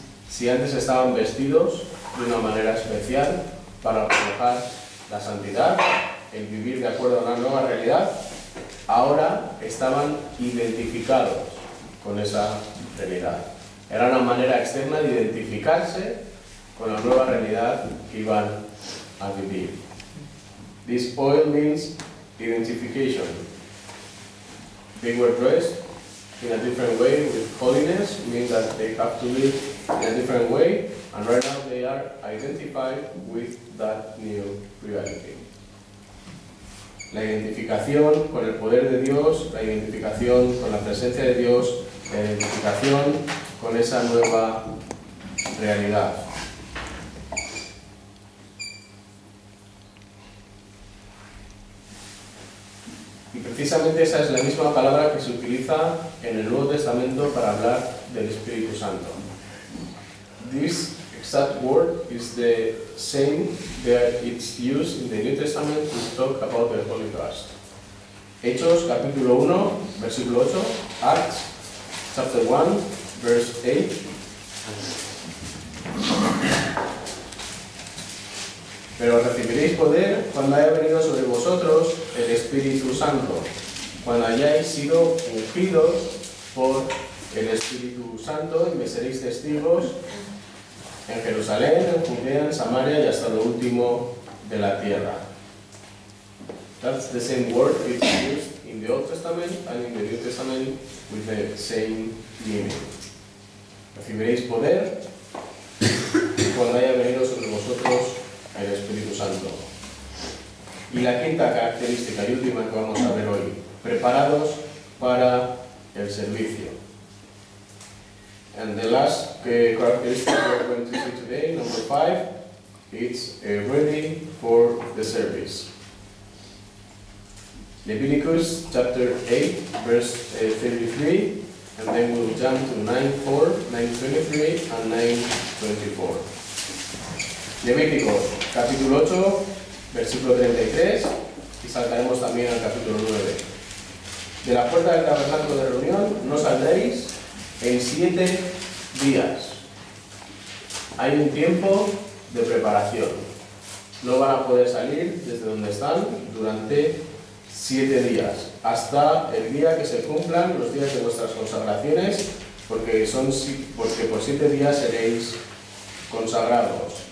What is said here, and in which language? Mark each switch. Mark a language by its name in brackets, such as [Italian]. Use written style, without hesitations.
[Spanish] Si antes estaban vestidos de una manera especial para reflejar la santidad, el vivir de acuerdo a una nueva realidad, ahora estaban identificados con esa realidad. Era una manera externa de identificarse con la nueva realidad que iban a vivir. [English] This oil means identification. They were dressed in a different way with holiness, means that they have to live in a different way, and right now they are identified with that new reality. [Spanish] la identificación con el poder de Dios, la identificación con la presencia de Dios, la identificación con esa nueva realidad. Y precisamente esa es la misma palabra que se utiliza en el Nuevo Testamento para hablar del Espíritu Santo. [English] This exact word is the same that it's used in the New Testament to talk about the Holy Ghost. [Spanish] Hechos capítulo 1, versículo 8, [English] Acts chapter 1, verse 8. [Spanish] Pero recibiréis poder cuando haya venido sobre vosotros el Espíritu Santo, cuando hayáis sido ungidos por el Espíritu Santo y me seréis testigos en Jerusalén, en Judea, en Samaria y hasta lo último de la tierra. [English] That's the same word it's used in the Old Testament and in the New Testament with the same meaning. [Spanish] Recibiréis poder cuando haya venido sobre vosotros el Espíritu Santo. Y la quinta característica y última que vamos a ver hoy, preparados para el servicio. [English] And the last characteristic we're going to see today, number 5, it's ready for the service. Leviticus chapter 8, verse 33, and then we'll jump to 9:4, 9:23, and 9:24. [Spanish] Leviticus, capítulo 8, versículo 33, y saltaremos también al capítulo 9. De la puerta del tabernáculo de reunión no saldréis en 7 días. Hay un tiempo de preparación. No van a poder salir desde donde están durante 7 días, hasta el día que se cumplan los días de vuestras consagraciones, porque por 7 días seréis consagrados.